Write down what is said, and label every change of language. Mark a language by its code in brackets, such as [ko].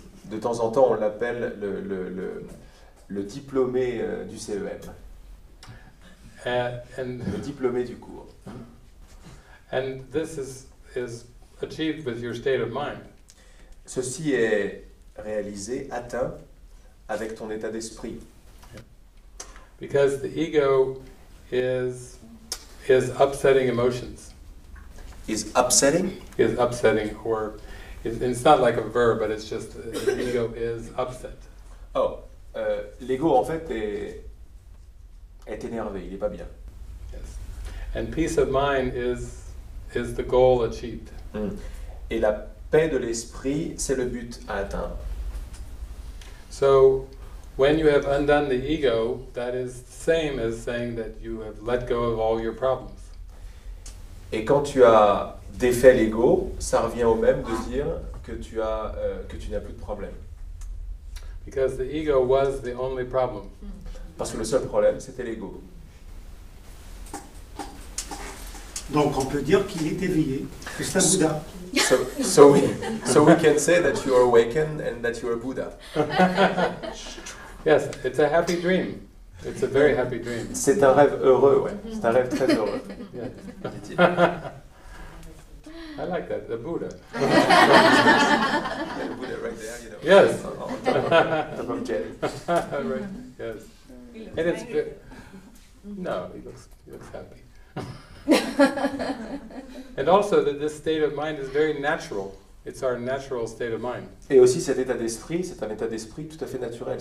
[fr] De temps en temps, on l'appelle le diplômé du CEM. [en] And [fr] le diplômé du cours. [en] And this is achieved with your state of mind. [fr] Ceci est réalisé, atteint, avec ton état d'esprit. [en] Because the ego is upsetting emotions. Is upsetting? Is upsetting, or it's not like a verb, but it's just the ego is upset. [fr] Oh, l'ego en fait est énervé, il est pas bien. [en] Yes. And peace of mind is the goal achieved. [fr] Mm. Et la paix de l'esprit, c'est le but à atteindre. [en] So, when you have undone the ego, that is the same as saying that you have let go of all your problems. [fr] Et quand tu as défait l'ego, ça revient au même de dire que tu n'as plus de problème. [en] Because the ego was the only problem. [fr] Parce que le seul problème, c'était l'ego. Donc on peut dire qu'il est éveillé, c'est un Bouddha. [en] So we can say that you are awakened and that you are a Buddha. Yes, it's a happy dream. It's a very happy dream. [fr] C'est un rêve heureux, ouais. C'est un rêve très heureux. [en] Yes. I like that, the Buddha. The Buddha right there, you know. Yes. On top of right. Yes. He looks angry. No, he looks happy. And also that this state of mind is very natural. It's our natural state of mind. [fr] Et aussi cet état d'esprit, c'est un état d'esprit tout à fait naturel.